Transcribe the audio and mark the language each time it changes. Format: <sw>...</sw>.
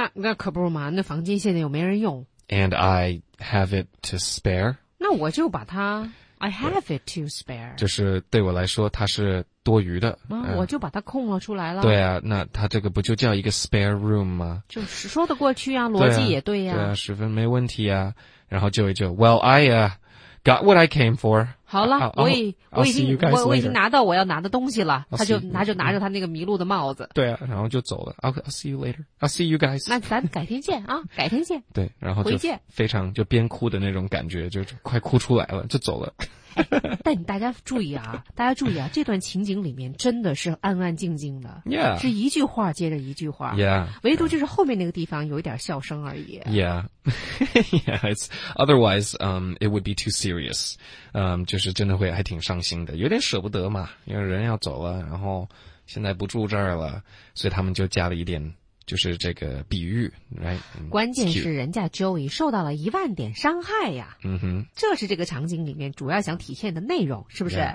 <zh>那可不嘛，那房间现在又没人用。</zh> <en>And I have it to spare，</en> <zh>那我就把它</zh> <en>I have it to spare，</en> <zh>就是对我来说它是多余的、我就把它空了出来了。对啊，那它这个不就叫一个 spare room 吗？就是说得过去啊，逻辑也对呀、啊。对啊，十分没问题啊。然后就</zh> <en>well I got what I came for。</en> <zh>好了，我已经拿到我要拿的东西了。</zh> <en>I'll、</en> <zh>他就拿着拿着他那个迷路的帽子。对啊，然后就走了。</zh> <en>I'll see you later. I'll see you guys.</en> <zh>那咱改天见啊，改天见。对，然后回见。非常就边哭的那种感觉，就快哭出来了，就走了。哎、但大家注意啊，大家注意啊，这段情景里面真的是安安静静的， yeah. 是一句话接着一句话， yeah. 唯独就是后面那个地方有一点笑声而已。</zh> <en>Yeah, yeah. It's otherwise, it would be too serious.</en> <zh>就是真的会还挺伤心的，有点舍不得嘛，因为人要走了，然后现在不住这儿了，所以他们就加了一点。就是这个比喻</zh> <en>right，</en> <zh>关键是人家 Joey 受到了一万点伤害呀，嗯哼，这是这个场景里面主要想体现的内容，是不是</zh>